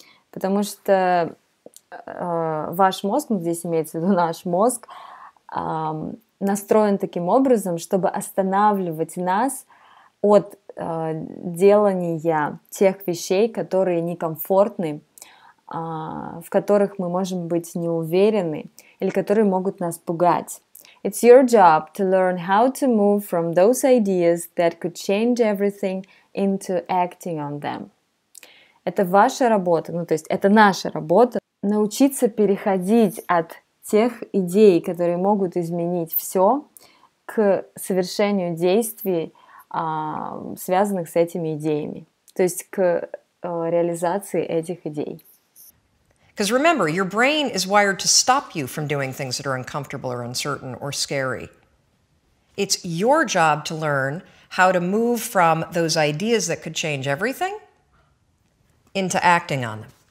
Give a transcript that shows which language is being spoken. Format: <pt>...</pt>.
<ru>Потому что ваш мозг, здесь имеется в виду наш мозг, настроен таким образом, чтобы останавливать нас от делания тех вещей, которые некомфортны, в которых мы можем быть неуверены или которые могут нас пугать.</ru> <en>It's your job to learn how to move from those ideas that could change everything into acting on them.</en> <ru>Это ваша работа, ну то есть это наша работа, научиться переходить от тех идей, которые могут изменить все, к совершению действий, связанных с этими идеями, то есть к реализации этих идей.</ru> <en>Because remember, your brain is wired to stop you from doing things that are uncomfortable or uncertain or scary. It's your job to learn how to move from those ideas that could change everything into acting on them.</en>